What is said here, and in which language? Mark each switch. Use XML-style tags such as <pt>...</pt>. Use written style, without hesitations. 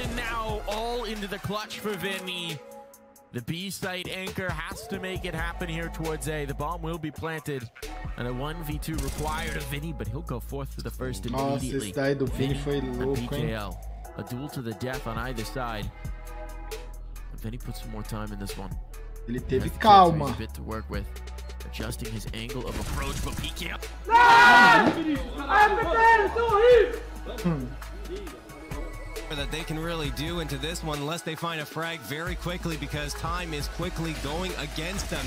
<en>And now all into the clutch for Vinny. The B site anchor has to make it happen here towards A. The bomb will be planted. And a 1v2 required of Vinny, but he'll go forth to the first immediately.</en> <pt>Nossa, esse daí do Vinny foi louco, hein?</pt> <en>A duel to the death on either side. But Vinny put some more time in this one.</en> <pt>Ele teve calma.</pt> <en>A bit to work with. Adjusting his angle of approach, but PKL.</en> <pt>Não!</pt> <en>Ah, that they can really do into this one unless they find a frag very quickly because time is quickly going against them.</en>